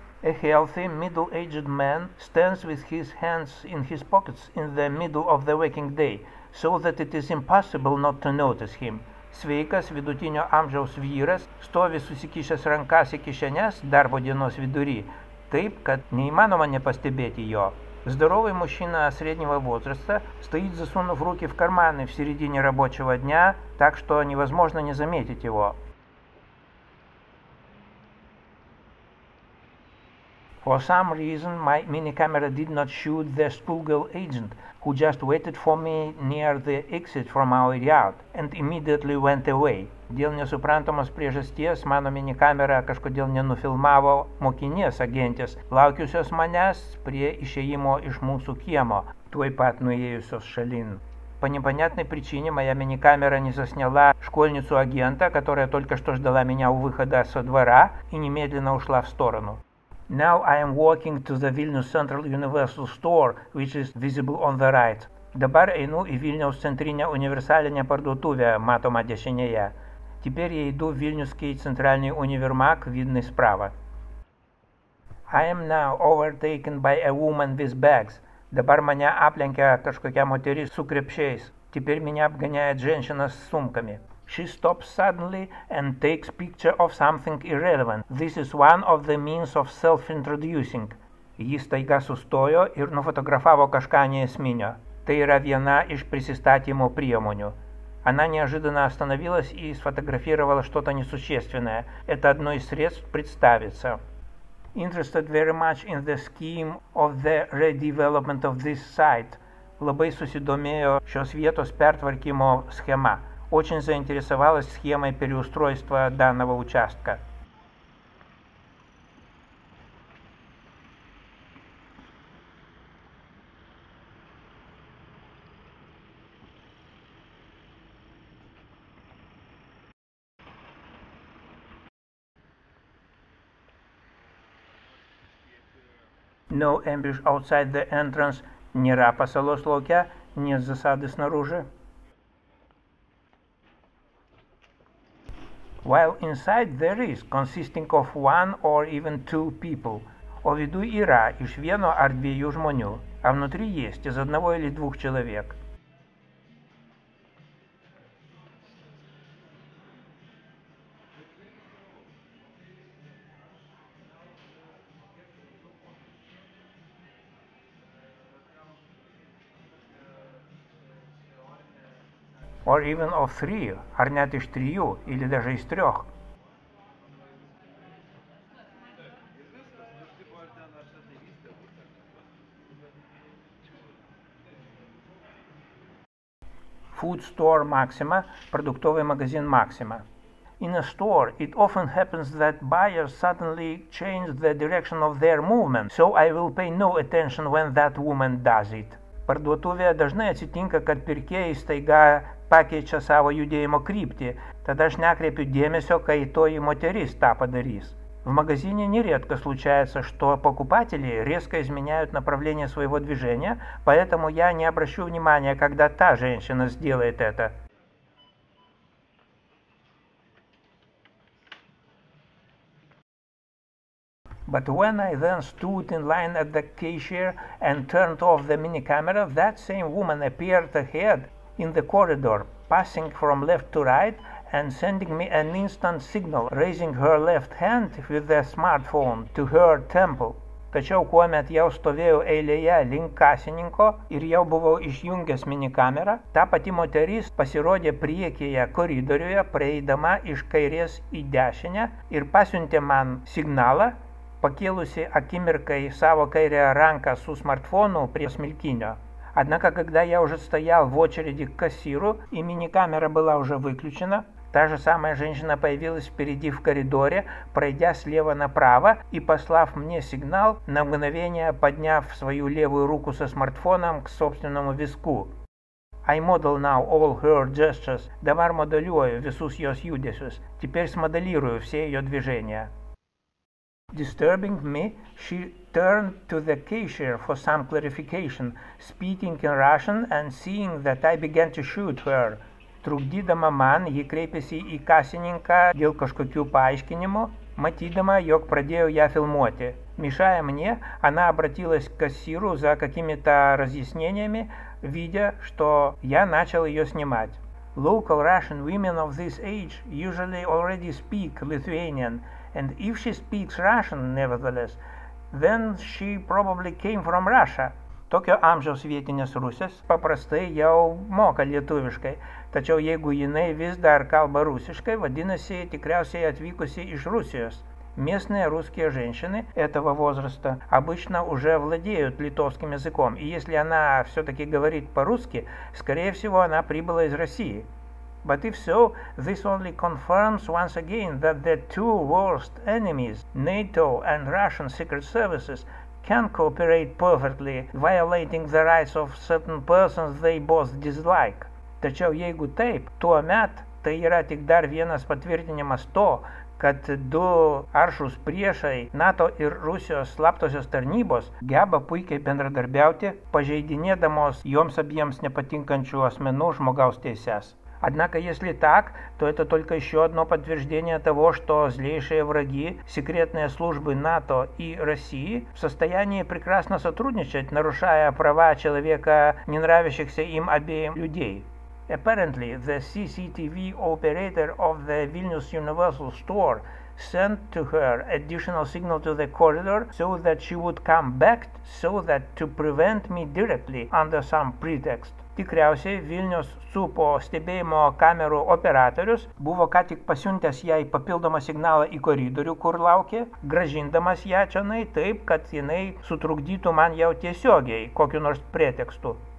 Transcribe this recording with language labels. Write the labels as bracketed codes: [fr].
[en] A healthy, middle-aged man stands with his hands in his pockets in the middle of the working day, so that it is impossible not to notice him. [lt] Sveikas vidutinio amžiaus vyras stovi susikišęs rankas į kišenes darbo dienos vidury, taip, kad neįmanoma nepastebėti jo. [ru] Здоровый мужчина среднего возраста стоит, засунув руки в карманы в середине рабочего дня, так что невозможно не заметить его. [en] For some reason, my mini-camera did not shoot the schoolgirl agent, who just waited for me near the exit from our yard, and immediately went away. [lt] Dėl nesuprantamos priežasties, mano mini-kamera kažkodėl nenufilmavo mokinės agentės, laukiusios manęs prie išėjimo iš mūsų kiemo, tuoj pat nuėjusios šalin. [ru] По непонятной причине моя мини-камера не засняла школьницу агента, которая только что ждала меня у выхода со двора и немедленно ушла в сторону. [en] Now I am walking to the Vilnius Central Universal Store, which is visible on the right. [lt] Dabar einu į Vilniaus centrinę universalinę parduotuvę, matomą dešinėje. [ru] Теперь я иду в Вильнюсский центральный универмаг, видный справа. [en] I am now overtaken by a woman with bags. [lt] Dabar mane aplenkia kažkokia moteris su krepšiais. [ru] Теперь меня обгоняет женщина с сумками. [en] She stops suddenly and takes picture of something irrelevant. This is one of the means of self-introducing. [lt] Ji staiga sustojo ir nufotografavo kažką neesminio. Tai yra viena iš prisistatymo priemonių. [ru] Она неожиданно остановилась и сфотографировала что-то несущественное. Это одно из средств представиться. [en] Interested very much in the scheme of the redevelopment of this site. [lt] Labai susidomėjo šios vietos pertvarkymo [ru] схема. Очень заинтересовалась схемой переустройства данного участка. [en] No ambush outside the entrance. [lt] Нера пасалос локе, [ru] нет засады снаружи. [en] While inside there is, consisting of one or even two people. [lt] O vidu yra, iš vieno ar dviejų žmonių. [ru] A внутри есть, из одного или двух человек. [en] Or even of three, [lt] ar net iš trijų, [ru] или даже из трех. [en] Food store [ru] Maxima, продуктовый магазин Maxima. [en] In a store, it often happens that buyers suddenly change the direction of their movement, so I will pay no attention when that woman does it. [lt] Parduotuvėje dažnai atsitinka, kad pirkėjai staiga pakeičia savo judėjimo kryptį, tada aš nekreipiu dėmesio, kai toji moteris tą padarys. [ru] В магазине нередко случается, что покупатели резко изменяют направление своего движения, поэтому я не обращу внимания, когда та женщина сделает это. [en] But when I then stood in line at the cashier and turned off the mini camera, that same woman appeared ahead in the corridor, passing from left to right and sending me an instant signal, raising her left hand with the smartphone to her temple. [lt] Tačiau kuomet jau stovėjau eilėje link kasininko ir jau buvau išjungęs mini kamerą, ta pati moteris pasirodė priekyje koridoriuje, praeidama iš kairės į dešinę ir pasiuntė man signalą, pakėlusi akimirkai savo kairę ranką su smartfonu prie smilkinio. [ru] Однако, когда я уже стоял в очереди к кассиру, и мини-камера была уже выключена, та же самая женщина появилась впереди в коридоре, пройдя слева направо и послав мне сигнал, на мгновение подняв свою левую руку со смартфоном к собственному виску. [en] I model now all her gestures. [lt] Dabar modeliuoju visus jos judesius. [ru] Теперь смоделирую все ее движения. [en] Disturbing me, she turned to the cashier for some clarification, speaking in Russian and seeing that I began to shoot her. [lt] Trukdydama man, ji kreipėsi į kasininką dėl kažkokių paaiškinimų, matydama, jog pradėjau ją filmuoti. [ru] Мешая мне, она обратилась к кассиру за какими-то разъяснениями, видя, что я начал ее снимать. [en] Local Russian women of this age usually already speak Lithuanian, and if she speaks Russian, nevertheless, then she probably came from Russia. [lt] Tokio amžiaus vietinės rusės paprastai jau moka lietuviškai, tačiau jeigu jinai vis dar kalba rusiškai, vadinasi, tikriausiai atvykusi iš Rusijos. [ru] Местные русские женщины этого возраста обычно уже владеют литовским языком, и если она все-таки говорит по-русски, скорее всего, она прибыла из России. [en] But if so, this only confirms once again that the two worst enemies, NATO and Russian secret services, can cooperate perfectly, violating the rights of certain persons they both dislike. [lt] Tačiau jeigu taip, tuomet tai yra tik dar vienas patvirtinimas to, kad du aršūs priešai NATO ir Rusijos slaptosios tarnybos geba puikiai bendradarbiauti, pažeidinėdamos joms abiems nepatinkančių asmenų žmogaus teises. [ru] Однако, если так, то это только еще одно подтверждение того, что злейшие враги, секретные службы НАТО и России в состоянии прекрасно сотрудничать, нарушая права человека, не нравящихся им обеим людей. [en] Apparently, the CCTV operator of the Vilnius Universal Store sent to her additional signal to the corridor so that she would come back so that to prevent me directly under some pretext. [lt] Tikriausiai Vilnius supo stebėjimo kamerų operatorius buvo ką tik pasiuntęs jai papildomą signalą į koridorių, kur laukė, gražindamas ją čionai taip, kad jinai sutrukdytų man jau tiesiogiai kokiu nors pretekstu.